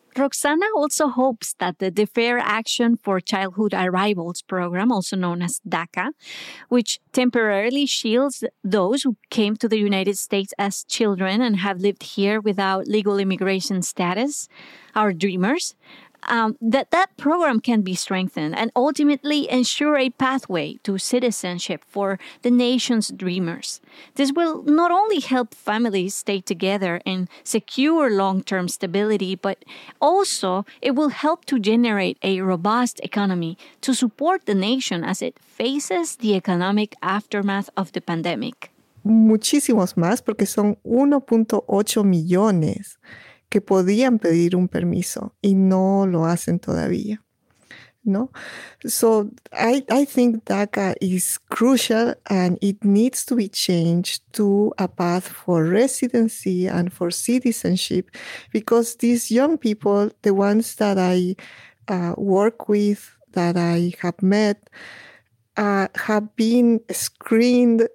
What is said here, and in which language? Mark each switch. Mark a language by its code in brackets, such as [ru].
[en] Roxana also hopes that the Defer Action for Childhood Arrivals program, also known as DACA, which temporarily shields those who came to the United States as children and have lived here without legal immigration status, our dreamers, that program can be strengthened and ultimately ensure a pathway to citizenship for the nation's dreamers. This will not only help families stay together and secure long-term stability, but also it will help to generate a robust economy to support the nation as it faces the economic aftermath of the pandemic. [es] Muchísimos más, porque son 1.8 millones que podían pedir un permiso y no lo hacen todavía, ¿no? [en] So I think DACA is crucial and it needs to be changed to a path for residency and for citizenship, because these young people, the ones that I work with, that I have met, have been screened.